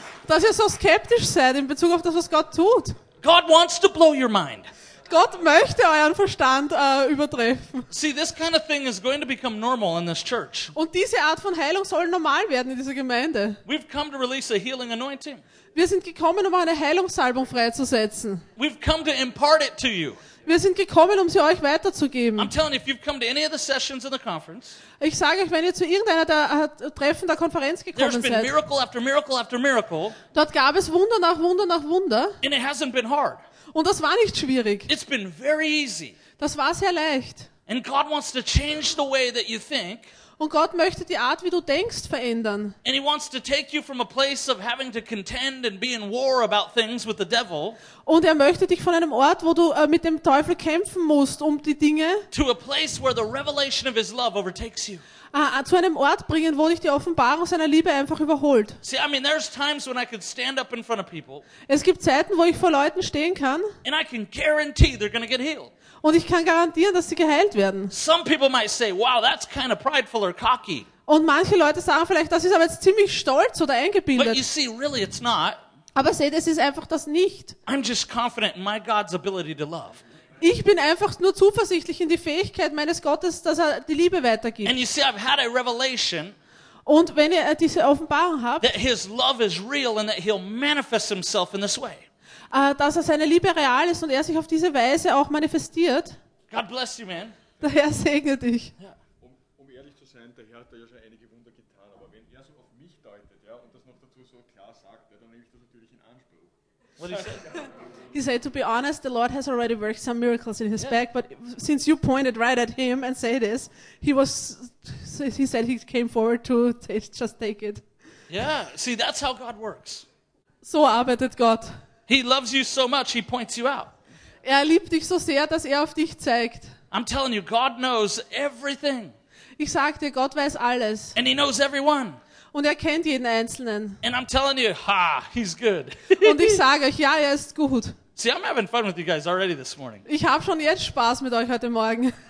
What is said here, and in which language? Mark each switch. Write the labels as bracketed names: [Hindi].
[German] Dass ihr so skeptisch seid in Bezug auf das, was Gott tut. [English] God wants to blow your mind. [German] Gott möchte euren Verstand übertreffen. [English] See, this kind of thing is going to become normal in this church. [German] Und diese Art von Heilung soll normal werden in dieser Gemeinde. [English] We've come to release a healing anointing. [German] Wir sind gekommen, um eine Heilungssalbung freizusetzen. [English] We've come to impart it to you. [German] Wir sind gekommen, um sie euch weiterzugeben. [English] I'm telling you, if you've come to any of the sessions in the conference, [German] ich sage euch, wenn ihr zu irgendeiner der Treffen der Konferenz gekommen seid, [English] there's been miracle after miracle after miracle, [German] dort gab es Wunder nach Wunder nach Wunder, [English] and it hasn't been hard. [German] Und das war nicht schwierig. [English] It's been very easy. [German] Das war sehr leicht. [English] And God wants to change the way that you think. [German] Und Gott möchte die Art, wie du denkst, verändern. [English] And he wants to take you from a place of having to contend and be in war about things with the devil. [German] Und er möchte dich von einem Ort, wo du mit dem Teufel kämpfen musst, um die Dinge, [English] to a place where the revelation of his love overtakes you. [German] Zu einem Ort bringen, wo dich die Offenbarung seiner Liebe einfach überholt. [English] See, I mean, there's times when I could stand up in front of people. [German] Es gibt Zeiten, wo ich vor Leuten stehen kann. [English] And I can guarantee they're going to get healed. [German] Und ich kann garantieren, dass sie geheilt werden. [English] Some people might say, wow, that's kind of prideful or cocky. [German] Und manche Leute sagen vielleicht, das ist aber jetzt ziemlich stolz oder eingebildet. [English] But you see, really, it's not. [German] Aber seht, es ist einfach das nicht. [English] I'm just confident in my God's ability to love. [German] Ich bin einfach nur zuversichtlich in die Fähigkeit meines Gottes, dass er die Liebe weitergibt. [English] And you see, I've had a revelation. [German] Und wenn ihr diese Offenbarung habt, [English] that his love is real and that he'll manifest himself in this way. [German] Dass er seine Liebe real ist und er sich auf diese Weise auch manifestiert. [English] God bless you, man. [German] Der Herr segne dich. Ja. Um ehrlich zu sein, der Herr hat ja schon einige Wunder getan, aber wenn er so auf mich deutet, ja, und das noch dazu so klar sagt, ja, dann nehme ich das natürlich in Anspruch. [English] What did he say? He said, to be honest, the Lord has already worked some miracles in his back, but since you pointed right at him and say this, he said he came forward to just take it. Yeah, see, that's how God works. [German] So arbeitet Gott. [English] He loves you so much, he points you out. [German] Er liebt dich so sehr, dass er auf dich zeigt. [English] I'm telling you, God knows everything. [German] Ich sag dir, Gott weiß alles. [English] And he knows everyone. [German] Und er kennt jeden Einzelnen. [English] And I'm telling you, ha, he's good. [German] Und ich sage euch, ja, er ist gut. [English] See, I'm having fun with you guys already this morning. [German] Ich habe schon jetzt Spaß mit euch heute Morgen.